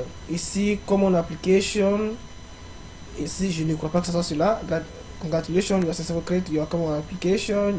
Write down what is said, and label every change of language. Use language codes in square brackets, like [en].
[fr] Ici, common application. Ici, je ne crois pas que ce soit celui-là. [en] Congratulations, you are successful create your common application.